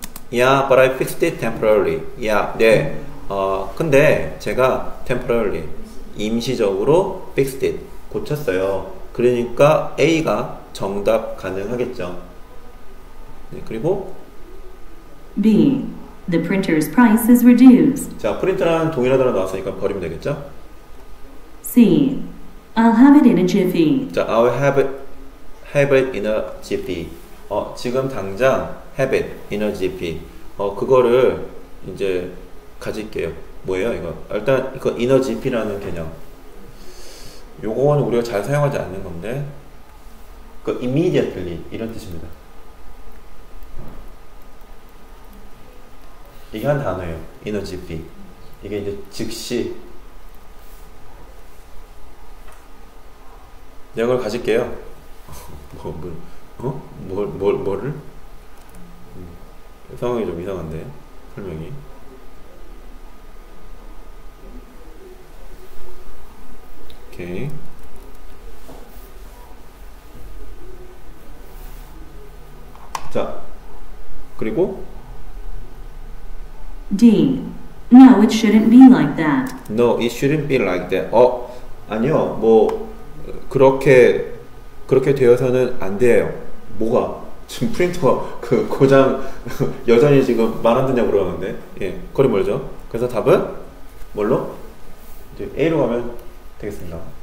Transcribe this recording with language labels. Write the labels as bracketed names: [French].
[English] Yeah, but I fixed it temporarily. Yeah, [Korean] 네. 근데 제가 [English] temporarily, [Korean] 임시적으로 [English] fixed it, [Korean] 고쳤어요. 그러니까 A가 정답 가능하겠죠. 네, 그리고 [English] B, the printer's price is reduced. [Korean] 자, 프린터랑 동일하다고 나왔으니까 버리면 되겠죠? [English] C, I'll have it in a jiffy. [Korean] 자, [English] I'll have it in a jiffy. [Korean] 지금 당장 [English] have it in a jiffy. [Korean] 그거를 이제 가질게요. 뭐예요, 이거? 일단 이거 [English] in a jiffy [Korean] 라는 개념. 요거는 우리가 잘 사용하지 않는 건데. 그 immediately 이런 뜻입니다. 이게 한 단어예요. 에너지 B. 이게 이제 즉시 내가 그걸 가질게요. 뭐를? 상황이 좀 이상한데 설명이. 오케이. 자, 그리고 D. [English] No, it shouldn't be like that. No, it shouldn't be like that. [Korean] 아니요. 뭐 그렇게 되어서는 안 돼요. 뭐가? 지금 프린터가 그 고장 여전히 지금 말 안 듣냐고 그러는데. 예. 거리 멀죠? 그래서 답은 뭘로? 이제 A로 가면 되겠습니다.